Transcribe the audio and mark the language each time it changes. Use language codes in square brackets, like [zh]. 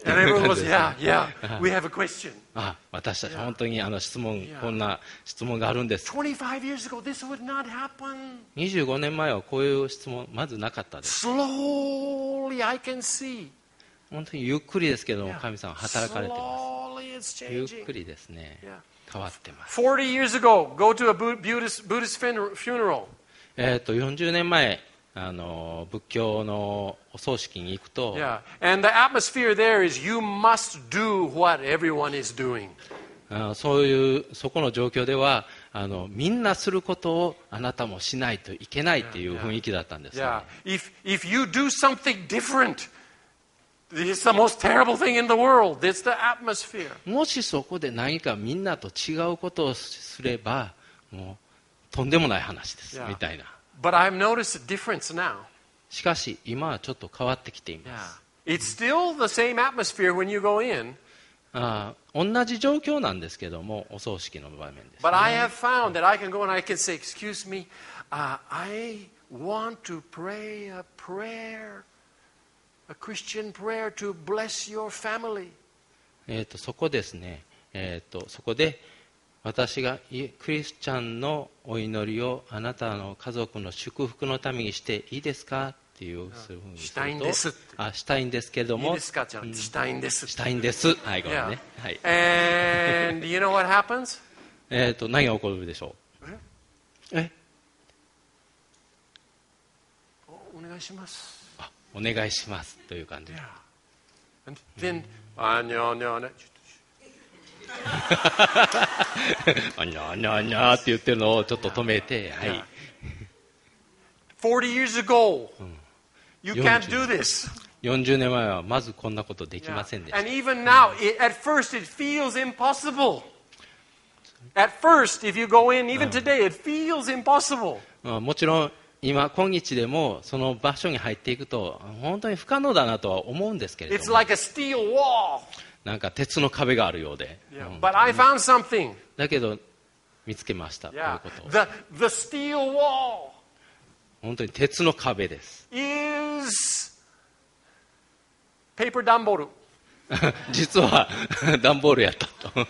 [en] And everyone goes, yeah, yeah, we have a question. [ja] 私たち本当に質問、こんな質問があるんです。 [en] 25 years ago, this would not happen. [ja] 25年前はこういう質問、まずなかったです。 [en] Slowly, I can see. [ja] 本当にゆっくりですけども神様働かれてます。ゆっくりですね、変わってます。 [en] 40 years ago, go to a Buddhist funeral. [ja] 40年前仏教のお葬式に行くと、 [en] And the atmosphere there is you must do what everyone is doing. [ja] そういうそこの状況ではみんなすることをあなたもしないといけないっていう雰囲気だったんですね。 [en] If you do something differentIt's the most terrible thing in the world. It's the atmosphere. [ja] もしそこで何かみんなと違うことをすれば、もうとんでもない話です、みたいな。 [en] But I've noticed a difference now. [ja] しかし今はちょっと変わってきています。 [en] Yeah. It's still the same atmosphere when you go in. [ja] 同じ状況なんですけども、お葬式の場面です、ね。 [en] But I have found that I can go and I can say, "Excuse me, I want to pray a prayer." A Christian prayer to bless your family. [ja] そこですね、そこで私がクリスチャンのお祈りをあなたの家族の祝福のためにしていいですかっていうふうにすると、したいんですって。したいんですけれども。いいですかじゃあ、したいんです。したいんです。はい、ごめんね。 [en] Yeah. And you know what happens? [ja] 何が起こるでしょう。お願いします。お願いしますという感じ。 [en] Yeah. And then, あにゃにゃにゃ。 [ja] あにゃにゃにゃって言ってるのをちょっと止めて、はい。 [en] 40 years ago, you can't do this. [ja] 40年前はまずこんなことできませんでした。 [en] And even now, at first it feels impossible. At first, if you go in, even today, it feels impossible. [ja] もちろん、今日でもその場所に入っていくと本当に不可能だなとは思うんですけれども、 [en] It's like a steel wall. [ja] なんか鉄の壁があるようで、 [en] yeah. But I found something. [ja] だけど見つけました、 [en] yeah. [ja] こういうこと。 [en] The steel wall. [ja] 本当に鉄の壁です。 [en] Is paper ダンボール。 [ja] 実はダンボールやったと。